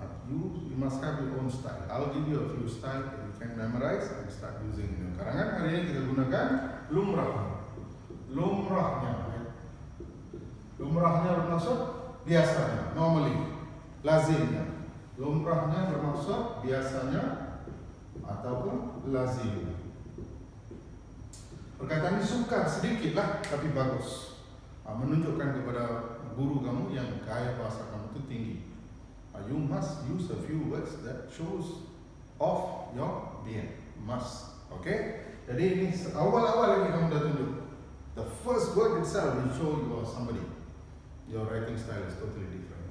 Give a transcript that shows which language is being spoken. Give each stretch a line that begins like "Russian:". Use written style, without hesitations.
English: You must have your own style. I'll give you a few style that you can memorize and start using in your karangan.
Malay: Hari ini kita gunakan lumrah. Lumrahnya. Lumrahnya bermaksud biasanya, normally, lazimnya. Lumrahnya bermaksud biasanya ataupun lazimnya. Perkataan ini sukar sedikit lah, tapi bagus. Menunjukkan kepada guru kamu yang gaya bahasa kamu itu tinggi.
English: You must use a few words that shows off your being. Must. Okay?
Malay: Jadi ini awal-awal lagi kamu dah tunjuk.
English: The first word itself will show you are somebody. Your writing style is totally different.